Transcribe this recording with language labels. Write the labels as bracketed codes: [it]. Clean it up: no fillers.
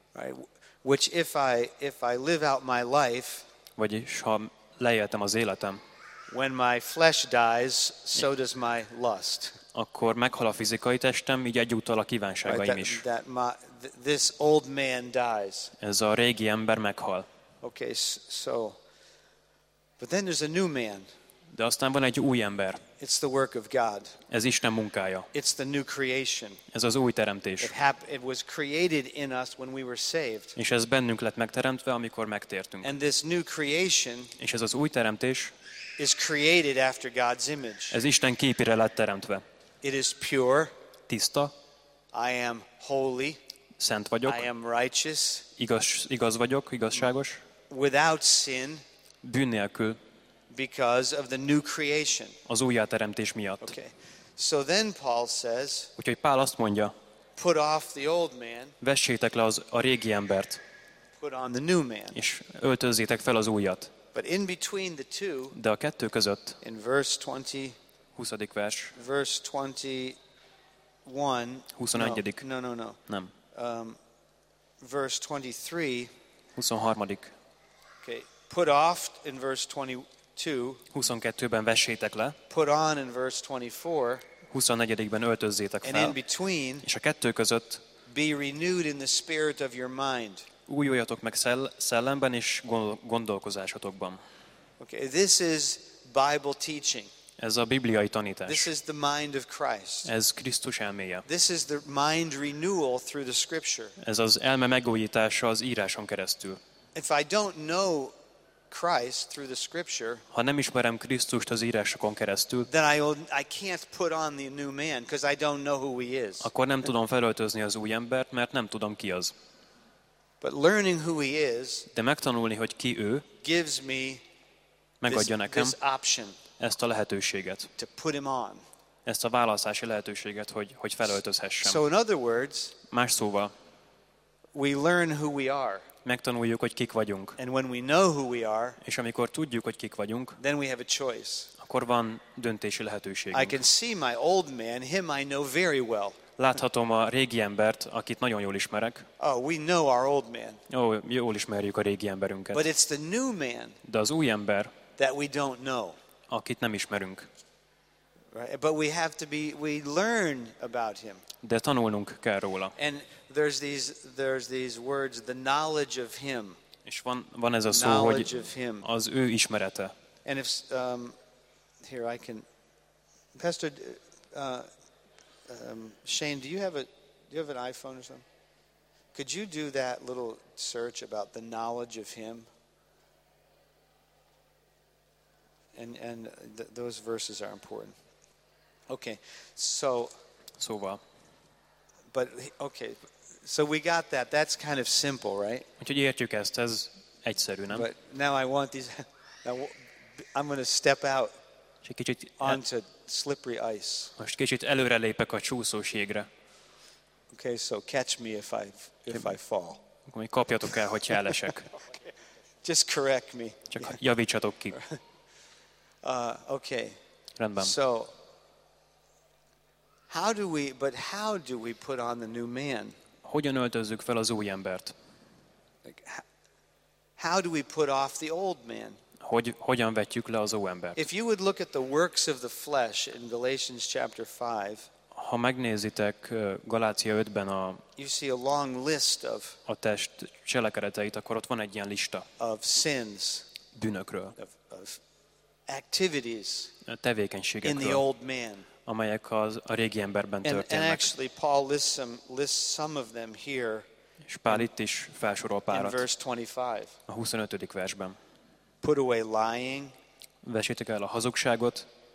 [en] Right. Which if I live out my life, [hu] vagyis ha leéltem az életem, [en] when my flesh dies, so does my lust. [hu] Akkor meghal a fizikai testem, így egyúttal a kívánságaim [en] right, [hu] is. [en] This old man dies. [hu] Ez a régi ember meghal. [en] Okay, so, but then there's a new man. [hu] De aztán van egy új ember. [en] It's the work of God. [hu] Ez Isten munkája. [en] It's the new creation. [hu] Ez az új teremtés. [en] It was created in us when we were saved. [hu] És ez bennünk lett megteremtve, amikor megtértünk. [en] And this new creation, [hu] és ez az új teremtés, [en] is created after God's image. [hu] Ez Isten képére lett teremtve. [en] It is pure. [hu] Tiszta. [en] I am holy. [hu] Szent vagyok. [en] I am righteous. [hu] Igaz vagyok, igazságos. [en] Without sin. [hu] Bűn nélkül. [en] Because of the new creation. [hu] Az újjáteremtés miatt. [en] Okay. So then Paul says, [hu] úgyhogy Pál azt mondja, [en] put off the old man, [hu] vessétek le az a régi embert, [en] put on the new man. [hu] És öltözzétek fel az újat. [en] But in between the two, [hu] de a kettő között, [en] in verse 20, [hu] 20. vers, [en] verse 21, [hu] 21. [en] No, no, no. [hu] Nem. [en] Verse 23, [hu] 23. [en] Okay. Put off in verse 21, [hu] 22-ben vessétek le. [en] Put on in verse 24. [hu] 24-ben öltözzétek fel. [en] And in between, [hu] és a kettő között [en] be renewed in the spirit of your mind. [hu] Újuljatok meg szellemben és gondolkozásatokban. [en] Okay, this is Bible teaching. [hu] Ez a bibliai tanítás. [en] This is the mind of Christ. [hu] Ez Krisztus elméje. [en] This is the mind renewal through the scripture. [hu] Ez az elme megújítása az íráson keresztül. [en] If I don't know Christ through the scripture, [hu] ha nem ismerem Krisztust az írásokon keresztül, [en] then I can't put on the new man because I don't know who he is. [hu] Akkor nem tudom felöltözni az új embert, mert nem tudom ki az. [en] But learning who he is, [hu] de megtanulni, hogy ki ő, [en] gives me [hu] megadja nekem [en] this option, [hu] ezt a lehetőséget, [en] to put him on, [hu] ezt a választási lehetőséget, hogy felöltözhessem. [en] So in other words, [hu] más szóval, [en] we learn who we are. [hu] Megtanuljuk, hogy kik vagyunk. [en] And when we know who we are, [hu] és amikor tudjuk, hogy kik vagyunk, [en] then we have a choice. [hu] Akkor van döntési lehetőségünk. [en] I can see my old man, him I know very well. [hu] Láthatom a régi embert, akit nagyon jól ismerek. [en] Oh, we know our old man. [hu] Jól ismerjük a régi emberünket. [en] But it's the new man, [hu] de az új ember, [en] that we don't know, [hu] akit nem ismerünk. [en] Right? But we learn about him. [hu] De tanulnunk kell róla. [en] And there's these words, the knowledge of him. [hu] És van ez a szó, knowledge hogy of him. Az ő ismerete. [en] And if here I can, Pastor Shane, do you have an iPhone or something? Could you do that little search about the knowledge of him? And those verses are important. Okay, so we got that. That's kind of simple, right? [hu] Úgyhogy értjük ezt, ez egyszerű, nem? [en] But now I want these. Now I'm going to step out onto slippery ice. [hu] Most kicsit előre lépek a csúszós jégre. [en] Okay, so catch me if I fall. [hu] Még kapjatok el, hogyha elesek. [en] Just correct me. [hu] Csak javítsatok ki. [en] Okay. [hu] Rendben. [en] So how do we put on the new man? [hu] Hogyan öltözzük fel az új embert? [en] How do we put off the old man? [hu] Hogyan vetjük le az új embert? [en] If you would look at the works of the flesh in Galatians chapter 5, [hu] ha megnézitek Galácia 5-ben [en] you see a long list of [hu] a test cselekedeteit, akkor ott van egy ilyen lista [en] of sins, [hu] bűnökről, [en] of activities, [hu] tevékenységekről, [en] in the old man, [hu] amelyek a régi emberben történnek. [en] And actually Paul lists some of them here. [hu] És Pál itt is felsorol párat. [en] In verse 25. [hu] A 25. versben. [en] Put away lying. [hu] Vessétek el a hazugságot.